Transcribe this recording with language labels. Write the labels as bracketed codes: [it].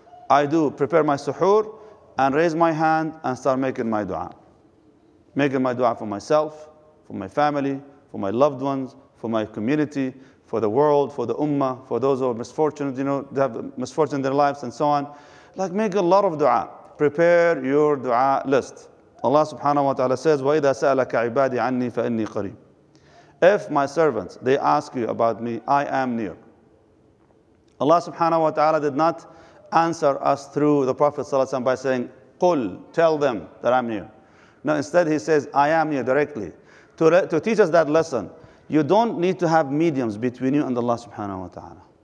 [en] I do prepare my suhoor and raise my hand and start making my dua. Making my dua for myself, for my family, for my loved ones, for my community, for the world, for the ummah, for those who are misfortunate, you know, they have misfortune in their lives and so on. Like, make a lot of dua. Prepare your dua list. [ar] Allah subhanahu wa ta'ala says, وَإِذَا سَأَلَكَ عِبَادِي عَنِّي فَإِنِّي قَرِيبٌ. [en] If my servants, they ask you about me, I am near. Allah subhanahu wa ta'ala did not answer us through the Prophet sallallahu alayhi wa sallam by saying, قُلْ, tell them that I'm near. No, instead He says, I am near directly. To teach us that lesson, you don't need to have mediums between you and Allah subhanahu wa ta'ala.